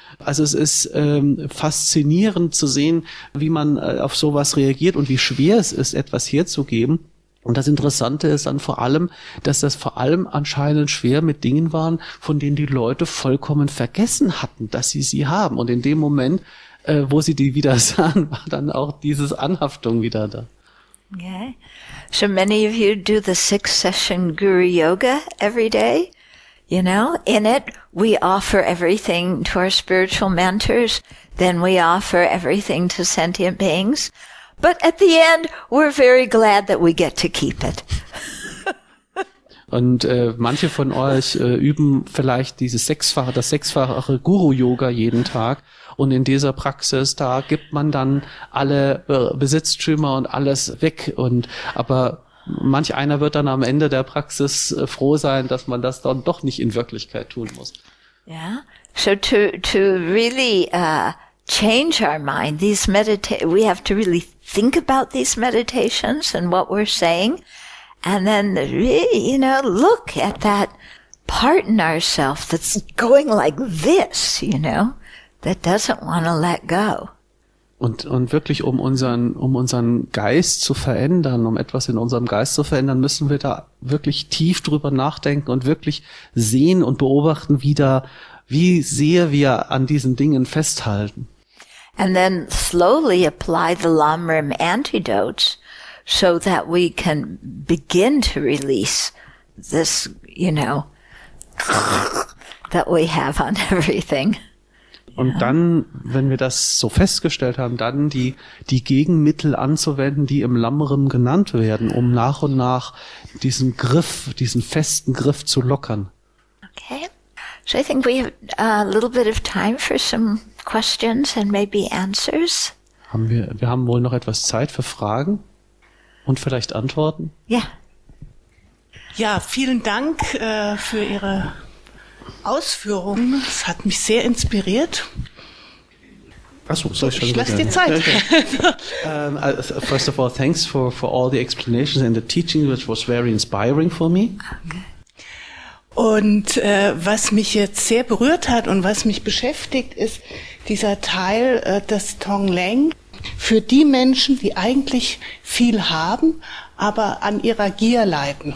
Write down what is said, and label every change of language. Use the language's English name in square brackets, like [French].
[German] Also es ist faszinierend zu sehen, wie man auf sowas reagiert und wie schwer es ist, etwas herzugeben. Und das Interessante ist dann vor allem, dass das vor allem anscheinend schwer mit Dingen waren, von denen die Leute vollkommen vergessen hatten, dass sie sie haben. Und in dem Moment, wo sie die wieder sahen, war dann auch dieses Anhaftung wieder da. [English] Okay. So many of you do the 6-session Guru Yoga every day. You know, in it, we offer everything to our spiritual mentors. Then we offer everything to sentient beings. But at the end, we're very glad that we get to keep it. [German] Und manche von euch üben vielleicht dieses sechsfache Guru-Yoga jeden Tag. Und in dieser Praxis, da gibt man dann alle Besitztümer und alles weg. Und aber manch einer wird dann am Ende der Praxis froh sein, dass man das dann doch nicht in Wirklichkeit tun muss. [English] Ja, so to really change our mind, these we have to really think about these meditations and what we're saying. And then, you know, look at that part in ourself that's going like this, you know, that doesn't want to let go. [German] Und wirklich, um unseren Geist zu verändern, um etwas in unserem Geist zu verändern, müssen wir da wirklich tief drüber nachdenken und wirklich sehen und beobachten, wie sehr wir an diesen Dingen festhalten. [English] And then slowly apply the Lamrim antidotes, so that we can begin to release this, you know, that we have on everything. [German] Und dann, wenn wir das so festgestellt haben, dann die Gegenmittel anzuwenden, die im Lamrim genannt werden, um nach und nach diesen Griff, diesen festen Griff zu lockern. [English] Okay. So I think we have a little bit of time for some questions and maybe answers. [German] Wir haben wohl noch etwas Zeit für Fragen. Und vielleicht Antworten? Ja. Ja, vielen Dank für Ihre Ausführungen. Es hat mich sehr inspiriert. Achso, soll ich schon sagen? Ich lasse die Zeit. Okay. [English] First of all, thanks for all the explanations and the teaching, which was very inspiring for me. [German] Und was mich jetzt sehr berührt hat und was mich beschäftigt, ist dieser Teil des Tongleng. Für die Menschen, die eigentlich viel haben, aber an ihrer Gier leiden.